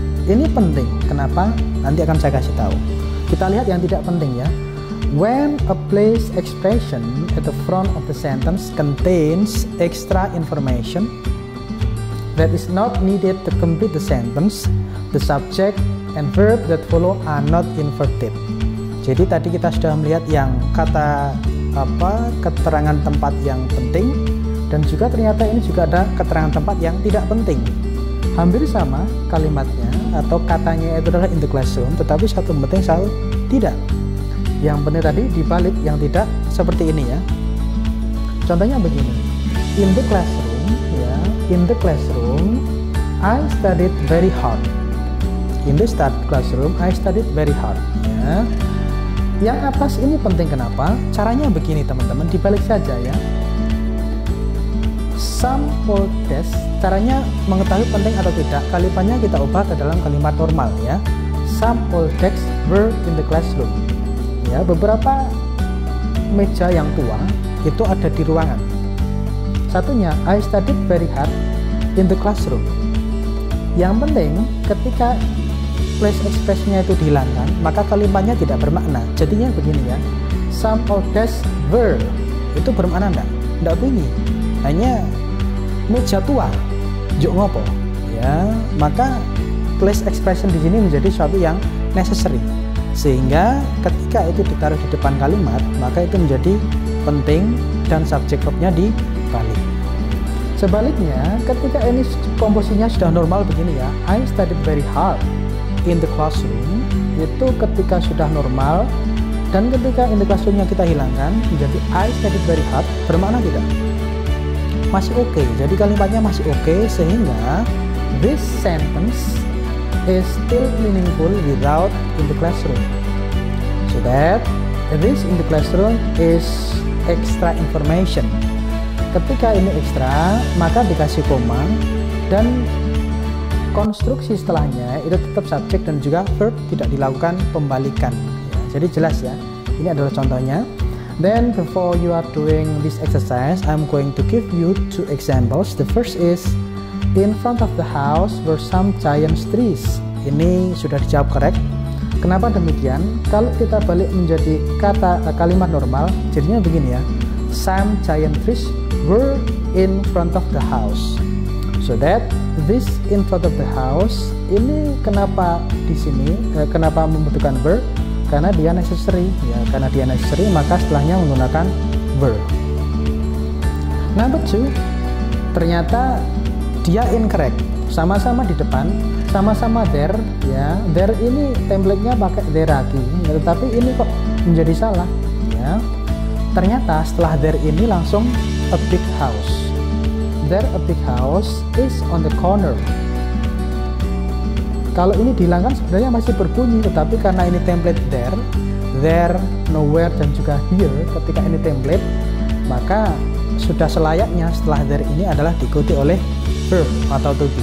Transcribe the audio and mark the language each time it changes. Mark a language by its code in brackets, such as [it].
[id] Ini penting. Kenapa? Nanti akan saya kasih tahu. Kita lihat yang tidak penting ya. [en] When a place expression at the front of the sentence contains extra information that is not needed to complete the sentence, the subject and verb that follow are not inverted. [id] Jadi tadi kita sudah melihat yang kata keterangan tempat yang penting, dan juga ternyata ini juga ada keterangan tempat yang tidak penting. Hampir sama kalimatnya atau katanya itu adalah [en] in the classroom, [id] tetapi satu penting satu tidak. Yang penting tadi dibalik yang tidak seperti ini ya. Contohnya begini. [en] In the classroom, ya, in the classroom I studied very hard. In the classroom I studied very hard, ya. [id] Yang atas ini penting kenapa? Caranya begini teman-teman, dibalik saja ya. Some old desk, caranya mengetahui penting atau tidak, kalimatnya kita ubah ke dalam kalimat normal ya. Some old desk were in the classroom. Ya, beberapa meja yang tua itu ada di ruangan. [en] Satunya, I studied very hard in the classroom. [id] Yang penting ketika place expression-nya itu dihilangkan, maka kalimatnya tidak bermakna. Jadinya begini ya. [en] Some old desks were, [id] itu bermakna enggak? Enggak bunyi. Hanya meja tua. [jv] Juk ngopo. [id] Ya, maka place expression di sini menjadi suatu yang necessary. Sehingga ketika itu ditaruh di depan kalimat, maka itu menjadi penting dan subject verb-nya dibalik. Sebaliknya, ketika ini komposisinya sudah normal begini ya. [en] I studied very hard in the classroom, [id] itu ketika sudah normal dan ketika in the classroom-nya kita hilangkan menjadi [en] I studied very hard, [id] bermakna tidak? Masih oke. Jadi kalimatnya masih oke, sehingga [en] this sentence is still meaningful without in the classroom. So that this in the classroom is extra information. [id] Ketika ini extra, maka dikasih koma dan konstruksi setelahnya itu tetap subjek dan juga verb, tidak dilakukan pembalikan. Jadi jelas ya, ini adalah contohnya. [en] Then before you are doing this exercise, I'm going to give you two examples. The first is, in front of the house were some giant trees. [id] Ini sudah dijawab correct. Kenapa demikian? Kalau kita balik menjadi kata kalimat normal, jadinya begini ya. [en] Some giant trees were in front of the house. So that this in front of the house, [id] ini kenapa di sini, kenapa membutuhkan verb? Karena dia necessary, ya. Karena dia necessary, maka setelahnya menggunakan verb. [en] Number two, [id] ternyata dia incorrect. Sama-sama di depan, sama-sama there, ya. There ini template-nya pakai there lagi, ya, tetapi ini kok menjadi salah, ya. Ternyata setelah there ini langsung a big house. [en] There a big house is on the corner. [id] Kalau ini dihilangkan sebenarnya masih berbunyi, tetapi karena ini template there, nowhere, dan juga here, ketika ini template, maka sudah selayaknya setelah there ini adalah diikuti oleh verb atau to be.